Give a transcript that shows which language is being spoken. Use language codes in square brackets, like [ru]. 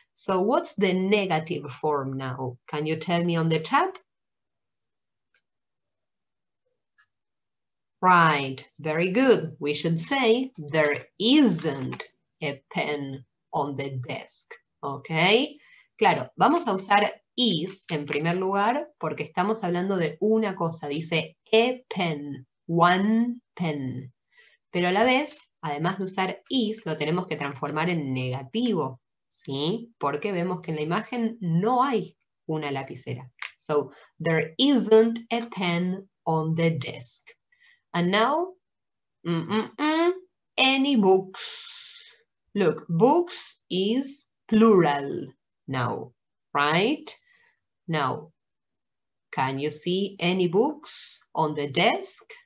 [en] So what's the negative form now? Can you tell me on the chat? Right, very good. We should say there isn't a pen on the desk, ¿ok? [es] Claro, vamos a usar is en primer lugar porque estamos hablando de una cosa, dice [en] a pen, one pen. [es] Pero a la vez, además de usar is, lo tenemos que transformar en negativo, ¿sí? Porque vemos que en la imagen no hay una lapicera. [en] So, there isn't a pen on the desk. And now, any books. Look, books is plural now, right? Now, can you see any books on the desk?